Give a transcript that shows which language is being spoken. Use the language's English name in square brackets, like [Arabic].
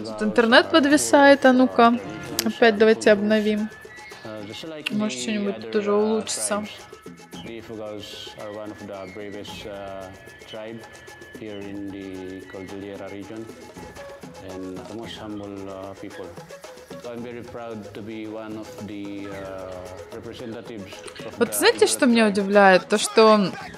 [Russian] тут интернет подвисает, а ну-ка, опять давайте обновим. Может, что-нибудь тут уже улучшится. [English] I'm very proud to be one of the representatives of the... [Russian] Вот знаете, что меня удивляет? То, что...